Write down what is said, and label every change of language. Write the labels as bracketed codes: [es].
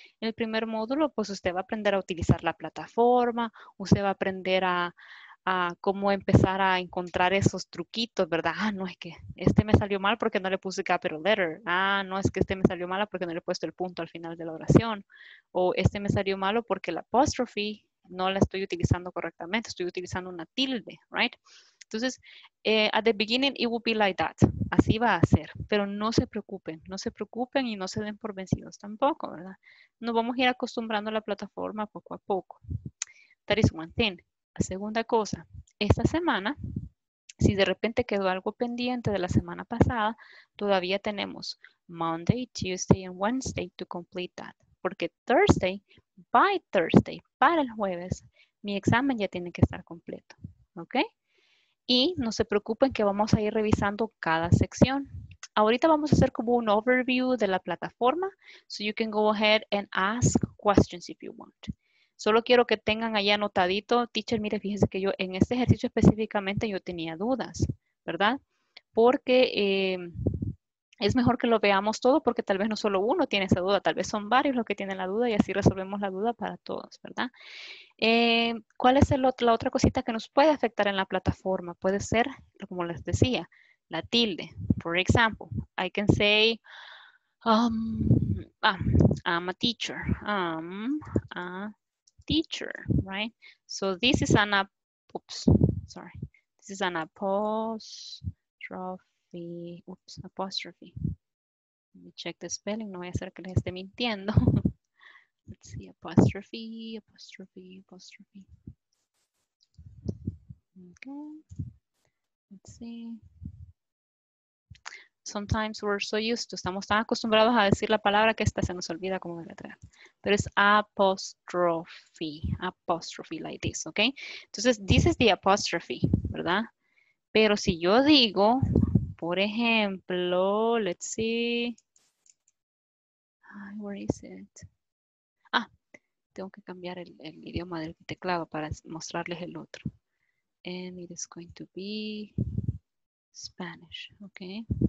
[es] El primer módulo, pues usted va a aprender a utilizar la plataforma, usted va a aprender a cómo empezar a encontrar esos truquitos, ¿verdad? Ah, no, es que este me salió mal porque no le puse [en] capital letter. [es] Ah, no, es que este me salió mal porque no le he puesto el punto al final de la oración. O este me salió malo porque la apostrophe no la estoy utilizando correctamente, estoy utilizando una tilde, [en] right? [es] Entonces, [en] at the beginning, it will be like that. [es] Así va a ser, pero no se preocupen, no se preocupen y no se den por vencidos tampoco, ¿verdad? Nos vamos a ir acostumbrando a la plataforma poco a poco. [en] That is one thing. [es] La segunda cosa, esta semana, si de repente quedó algo pendiente de la semana pasada, todavía tenemos [en] Monday, Tuesday, and Wednesday to complete that. [es] Porque [en] Thursday, by Thursday, [es] para el jueves, mi examen ya tiene que estar completo, ¿ok? Y no se preocupen que vamos a ir revisando cada sección. Ahorita vamos a hacer como un overview de la plataforma. [en] So you can go ahead and ask questions if you want. [es] Solo quiero que tengan ahí anotadito. Teacher, mire, fíjense que yo en este ejercicio específicamente yo tenía dudas, ¿verdad? Porque es mejor que lo veamos todo porque tal vez no solo uno tiene esa duda. Tal vez son varios los que tienen la duda y así resolvemos la duda para todos, ¿verdad? ¿Cuál es la otra cosita que nos puede afectar en la plataforma? Puede ser, como les decía, la tilde. [en] For example, I can say, I'm a teacher. I'm a teacher, right? So this is an apostrophe. Let me check the spelling. [es] No voy a hacer que les esté mintiendo. [en] Let's see, apostrophe. Okay. Let's see. Sometimes we're so used to, [es] estamos tan acostumbrados a decir la palabra que esta se nos olvida como letra. Pero es apostrophe [en] like this, ok? [es] Entonces, [en] this is the apostrophe, [es] ¿verdad? Pero si yo digo, por ejemplo, [en] let's see. Where is it? [es] Ah, tengo que cambiar el idioma del teclado para mostrarles el otro. [en] And it is going to be Spanish, ok?